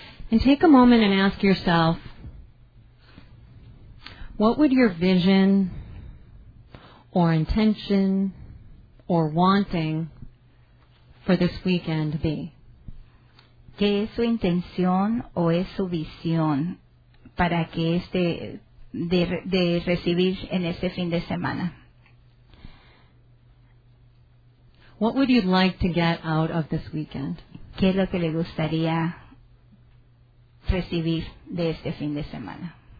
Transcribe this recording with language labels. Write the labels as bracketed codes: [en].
[en] And take a moment and ask yourself, what would your vision or intention or wanting for this weekend be? [es] ¿Qué es su intención o es su visión para que este de recibir en este fin de semana? [en] What would you like to get out of this weekend? [es] ¿Qué es lo que le gustaría recibir de este fin de semana?